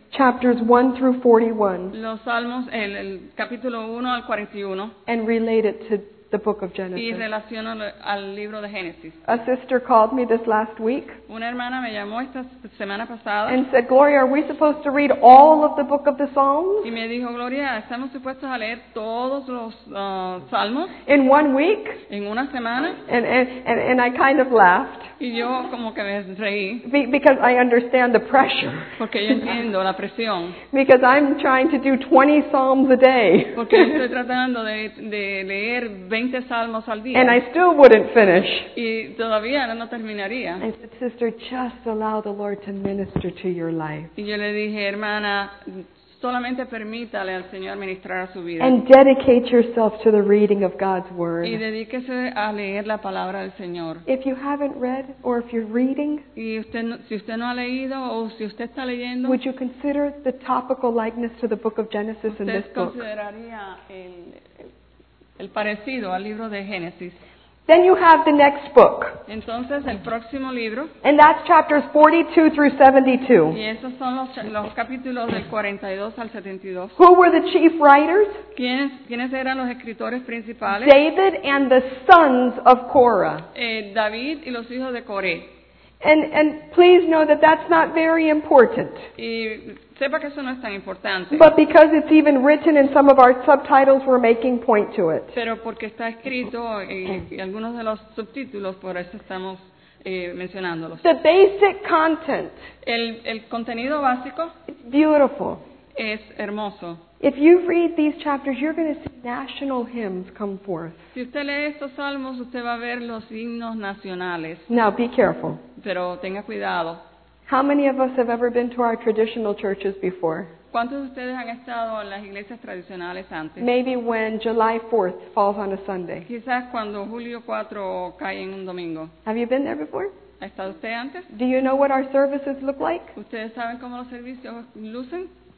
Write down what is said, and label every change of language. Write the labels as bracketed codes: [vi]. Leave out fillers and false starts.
[en] Chapters 1 through 41. [es] Los salmos, el capítulo 1 al 41. [en] And relate it to the book of Genesis. [es] Y relaciono al libro de Génesis. [en] A sister called me this last week. [es] Una hermana me llamó esta semana pasada. [en] And said, Gloria, are we supposed to read all of the book of the Psalms? [es] Y me dijo, Gloria, ¿estamos supuestos a leer todos los salmos? [en] In one week. [es] En una semana. [en] And I kind of laughed. [es] Y yo como que me reí. [en] Because I understand the pressure. [es] Porque yo entiendo la presión. [en] Because I'm trying to do 20 psalms a day. [es] Porque estoy tratando de leer 20 salmos al día. [en] And I still wouldn't finish. [es] Y todavía no terminaría. [en] I said, sister, just allow the Lord to minister to your life. [es] Y yo le dije, hermana, solamente permítale al Señor ministrar a su vida. [en] And dedicate yourself to the reading of God's Word. [es] Y dedíquese a leer la palabra del Señor. [en] If you haven't read, or if you're reading, [es] y usted no, si usted no ha leído, o si usted está leyendo, [en] would you consider the topical likeness to the book of Genesis in this book? [es] ¿Usted consideraría el parecido al libro de Génesis? [en] Then you have the next book. [es] Entonces, el próximo libro. [en] And that's chapters 42 through 72. [es] Y esos son los capítulos del 42 al 72. [en] Who were the chief writers? [es] ¿Quiénes eran los escritores principales? [en] David and the sons of Korah. [es] David y los hijos de Coré. [en] And please know that that's not very important. [es] Y sepa que eso no es tan importante. [en] But because it's even written in some of our subtitles, we're making point to it. [es] Pero porque está escrito y algunos de los subtítulos, por eso estamos mencionándolos. [en] The basic content. [es] El contenido básico. [en] Beautiful. [es] Es hermoso. [en] If you read these chapters, you're going to see national hymns come forth. [es] Si usted lee estos salmos, usted va a ver los himnos nacionales. [en] Now, be careful. [es] Pero tenga cuidado. [en] How many of us have ever been to our traditional churches before? [es] ¿Cuántos de ustedes han estado en las iglesias tradicionales antes? [en] Maybe when July 4th falls on a Sunday. [es] Quizás cuando Julio 4 cae en un domingo. [en] Have you been there before? [es] ¿Ha estado usted antes? [en] Do you know what our services look like? [es] ¿Ustedes saben cómo los servicios lucen?